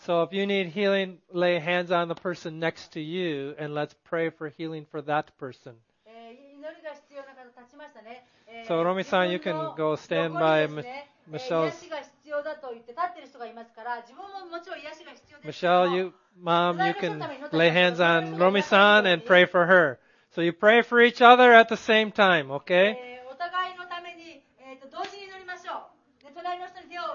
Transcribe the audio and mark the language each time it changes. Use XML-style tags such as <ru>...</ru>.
<en>So if you need healing, lay hands on the person next to you and let's pray for healing for that person.</en> <ja>祈りが必要な方立ちましたね。</ja> <en>So Romi-san, you can go stand by Michelle's.</en> <ja>癒しが必要だと言って立ってる人がいますから、自分ももちろん癒しが必要です。</ja> <en>Michelle, you, mom, you can lay hands on Romi-san and pray for her. So you pray for each other at the same time, okay?</en> <ja>お互いのために、同時に祈りましょう。</ja>